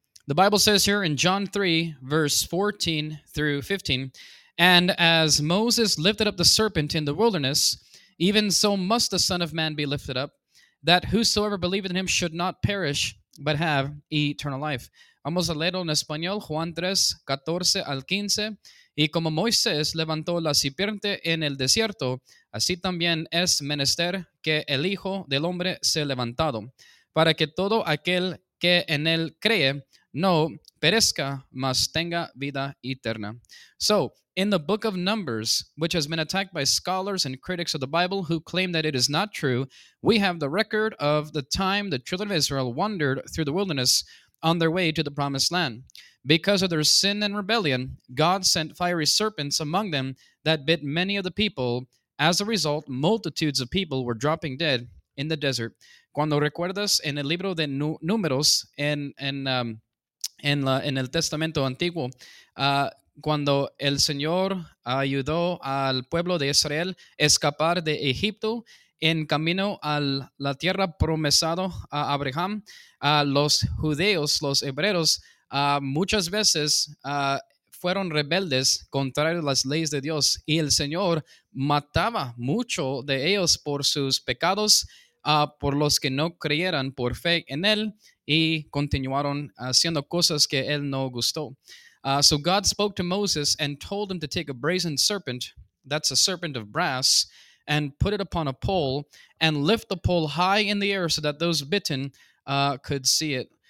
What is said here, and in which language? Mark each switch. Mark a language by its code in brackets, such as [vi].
[en] The Bible says here in John 3, verse 14 through 15, "And as Moses lifted up the serpent in the wilderness, even so must the Son of Man be lifted up, that whosoever believeth in him should not perish, but have eternal life." [es] Vamos a leerlo en español, Juan 3, 14 al 15. "Y como Moisés levantó la serpiente en el desierto, así también es menester que el Hijo del Hombre sea levantado, para que todo aquel que en él cree, no perezca, mas tenga vida eterna." [en] So, in the book of Numbers, which has been attacked by scholars and critics of the Bible who claim that it is not true, we have the record of the time the children of Israel wandered through the wilderness on their way to the promised land. Because of their sin and rebellion, God sent fiery serpents among them that bit many of the people. As a result, multitudes of people were dropping dead in the desert. [es] Cuando recuerdas en el libro de Números, en el Testamento Antiguo, cuando el Señor ayudó al pueblo de Israel a escapar de Egipto en camino a la tierra promesada a Abraham, los judíos, los hebreos, muchas veces fueron rebeldes contra las leyes de Dios y el Señor mataba mucho de ellos por sus pecados, por los que no creyeran por fe en él y continuaron haciendo cosas que él no gustó. [en] So God spoke to Moses and told him to take a brazen serpent, that's a serpent of brass, and put it upon a pole and lift the pole high in the air so that those bitten could see it.